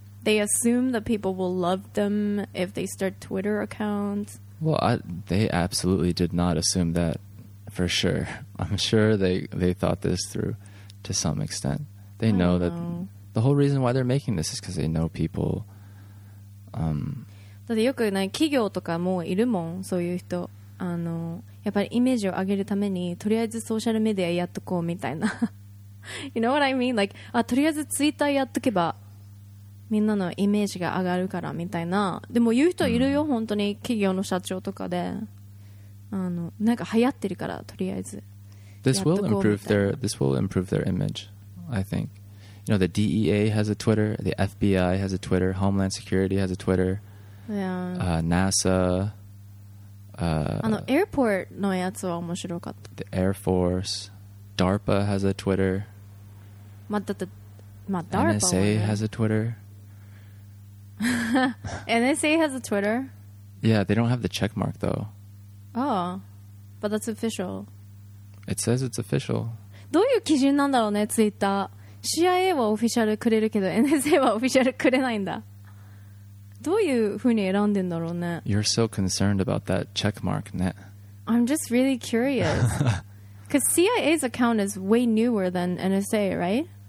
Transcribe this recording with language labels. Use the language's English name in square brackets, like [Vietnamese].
[English] They assume that people will love them if they start Twitter accounts. Well, they absolutely did not assume that for sure. I'm sure they thought this through to some extent. They know that the whole reason why they're making this is because they know people. [Japanese] だってよくね、企業とかもいるもん、そういう人。あの、やっぱりイメージを上げるために、とりあえずソーシャルメディアやっとこうみたいな。 [English] You know what I mean? Like, [Japanese] あ、とりあえずツイッターやっとけば。みんなのイメージが上がるからみたいな。でも言う人いるよ、うん、本当に企業の社長とかで、あのなんか流行ってるからとりあえず。 [English] This will improve their image, I think. You know, the DEA has a Twitter, the FBI has a Twitter, Homeland Security has a Twitter, NASA. [Japanese] あの airport のやつは面白かった。 [English] The Air Force, DARPA has a Twitter. [Japanese] まあ、だって、まあ、DARPA [English] NSA has a Twitter. NSA has a Twitter? Yeah, they don't have the check mark though. Oh, but that's official. It says it's official. [Japanese] どういう基準なんだろうね、ツイッター。CIA はオフィシャルくれるけど、NSA はオフィシャルくれないんだ。どういうふうに選んでんだろうね。 [English] You're so concerned about that check mark, ね。 I'm just really curious. Because CIA's account is way newer than NSA, right?